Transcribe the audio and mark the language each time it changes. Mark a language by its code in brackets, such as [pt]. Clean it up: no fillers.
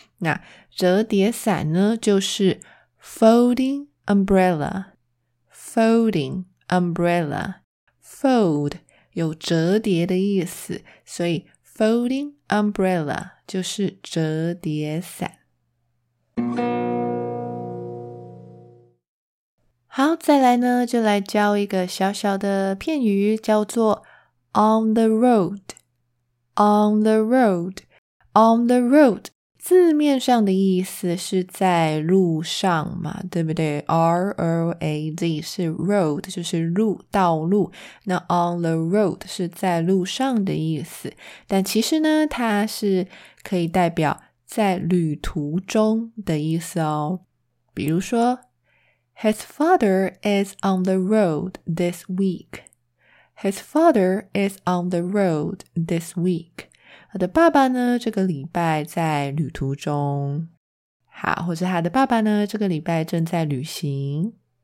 [zh] 那折叠伞呢就是 folding umbrella， folding umbrella， fold 有折叠的意思，所以Folding umbrella 就是折叠伞。好，再来呢，就来教一个小小的片语，叫做 on the road。 on the road， on the road， 字面上的意思是在路上嘛，对不对 ？R O A D 是 road， 就是路，道路。那 on the road 是在路上的意思，但其实呢，它是可以代表在旅途中的意思哦。比如说 [en] ，His father is on the road this week. His father is on the road this week. [zh] 他的爸爸呢，这个礼拜在旅途中。好，或者他的爸爸呢，这个礼拜正在旅行。